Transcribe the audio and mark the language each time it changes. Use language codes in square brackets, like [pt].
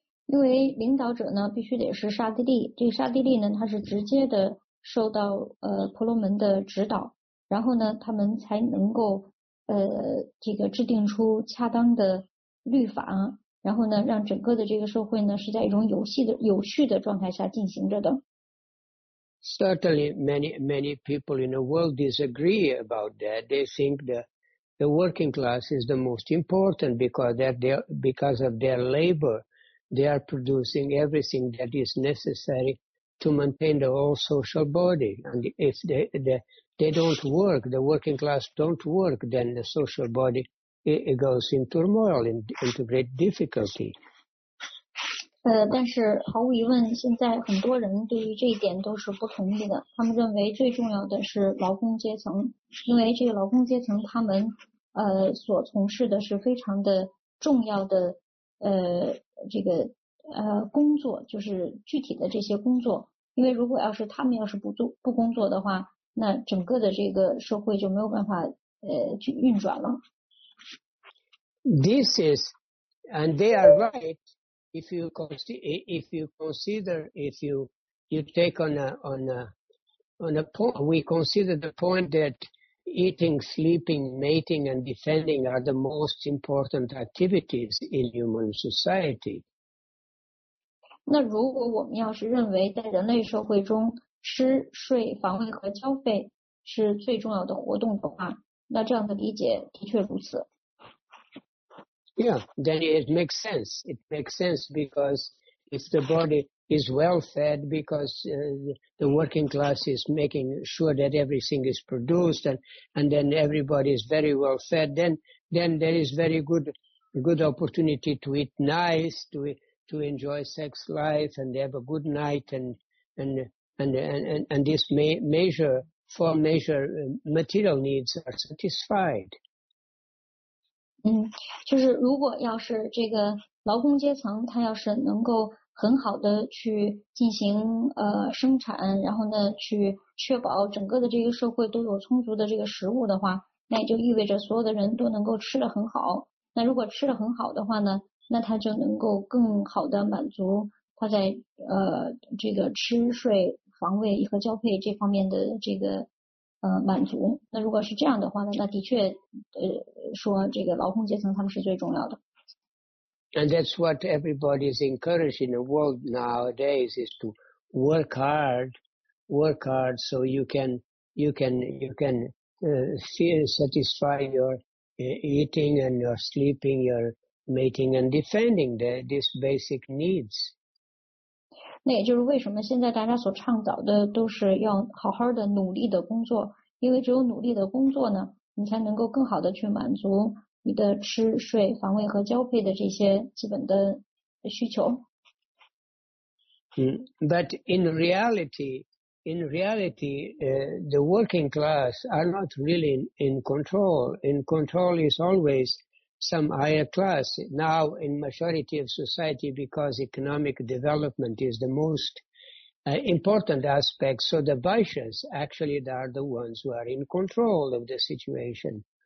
[zh] 因为领导者呢必须得是刹帝利，这个刹帝利呢他是直接的受到婆罗门的指导，然后呢他们才能够。这个制定出恰当的律法，然后呢让整个的这个社会呢是在一种有序的状态下进行着的。 [en] Certainly many people in the world disagree about that. They think the working class is the most important because of their labor. They are producing everything that is necessary to maintain the whole social body. And if they don't work, the working class don't work, then the social body it goes in turmoil, into great difficulty. [zh] 但是毫无疑问，现在很多人对于这一点都是不同意的。他们认为最重要的是劳工阶层，因为这个劳工阶层他们所从事的是非常的重要的这个工作，就是具体的这些工作。因为如果要是他们要是不工作的话，那整个的这个社会就没有办法去运转了。 [en] This is, and they are right. If you take on a point, we consider the point that eating, sleeping, mating, and defending are the most important activities in human society. [zh] 那如果我们要是认为在人类社会中，吃、睡、防卫和交费是最重要的活动的话，那这样的理解的确如此。 [en] Yeah, then it makes sense. It makes sense because if the body is well fed, because the working class is making sure that everything is produced, and then everybody is very well fed, then there is very good opportunity to eat nice, to enjoy sex life, and have a good night, and this major material needs are satisfied. [zh] 就是如果要是这个劳工阶层他要是能够很好的去进行生产，然后呢去确保整个的这个社会都有充足的这个食物的话，那也就意味着所有的人都能够吃得很好。那如果吃得很好的话呢，那他就能够更好的满足他在这个吃睡防卫和交配这方面的这个满足。那如果是这样的话呢，那的确说这个劳工阶层他们是最重要的。 [en] And that's what everybody is encouraged in the world nowadays is to work hard so you can see and satisfy your eating and your sleeping, your mating and defending these basic needs. [zh] 那也就是为什么现在大家所倡导的都是要好好的努力的工作，因为只有努力的工作呢，你才能够更好的去满足你的吃、睡、防卫和交配的这些基本的需求。 [en] But in reality, the working class are not really in control. In control is always some higher class. Now in majority of society, because economic development is the most important aspect, so the Vaishyas actually are the ones who are in control of the situation.